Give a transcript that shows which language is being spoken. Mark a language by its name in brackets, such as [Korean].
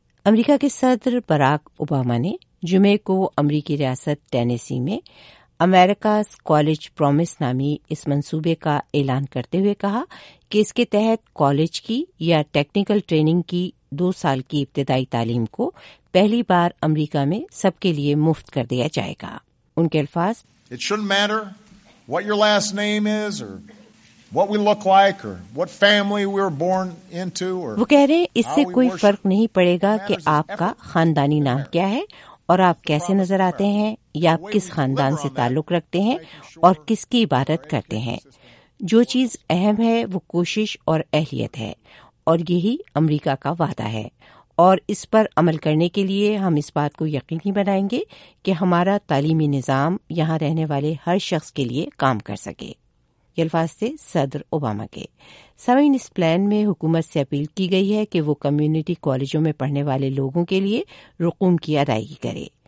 [Urdu] امریکہ کے صدر Barack Obama نے جمعے کو امریکی ریاست ٹینیسی میں امریکاز کالج پرومس نامی اس منصوبے کا اعلان کرتے ہوئے کہا کہ اس کے تحت کالج کی یا ٹیکنیکل ٹریننگ کی 2 سال کی ابتدائی تعلیم کو پہلی بار امریکہ میں سب کے لیے مفت کر دیا جائے گا۔ ان کے الفاظ، [English] It shouldn't matter what your last name is or what we look like or what family we were born into or [Urdu] وہ کہہ رہے ہیں اس سے کوئی فرق نہیں پڑے گا کہ آپ کا خاندانی نام کیا ہے اور آپ کیسے نظر آتے ہیں یا آپ کس خاندان سے تعلق رکھتے ہیں اور کس کی عبادت کرتے ہیں۔ جو چیز اہم ہے وہ کوشش اور اہلیت ہے، اور یہی امریکہ کا وعدہ ہے، اور اس پر عمل کرنے کے لیے ہم اس بات کو یقینی بنائیں گے کہ ہمارا تعلیمی نظام یہاں رہنے والے ہر شخص کے لیے کام کر سکے۔ یہ الفاظ تھے صدر اوباما کے۔ سمعین، اس پلان میں حکومت سے اپیل کی گئی ہے کہ وہ کمیونٹی کالجوں میں پڑھنے والے لوگوں کے لیے رقوم کی ادائیگی کرے۔